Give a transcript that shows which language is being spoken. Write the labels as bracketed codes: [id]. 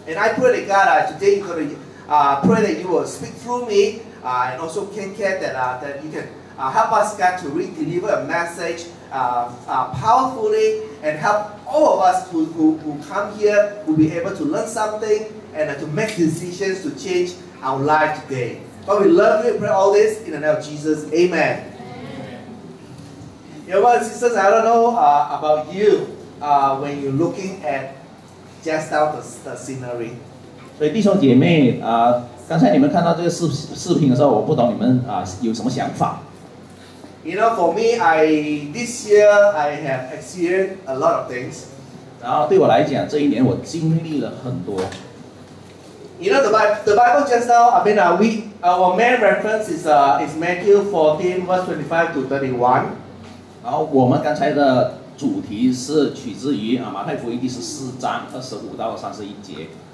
[en] And I pray that God, today you're going to pray that you will speak through me, and also Ken Ken, that you can help us, God, to re-deliver a message powerfully, and help all of us who come here will be able to learn something and to make decisions to change our life today. But we love you and pray all this in the name of Jesus. Amen. Amen. You know what, sisters, I don't know about you when you're looking at just out the scenery. [zh] 所以弟兄姐妹，刚才你们看到这个视频的时候，我不懂你们有什么想法。 [en] You know, for me, this year I have experienced a lot of things. [zh] 然后对我来讲，这一年我经历了很多。 [en] You know, the Bible just now, I mean, our main reference is Matthew 14, verse 25 to 31. [zh] 然后我们刚才的主题是取自于 马太福音第14章25到31节。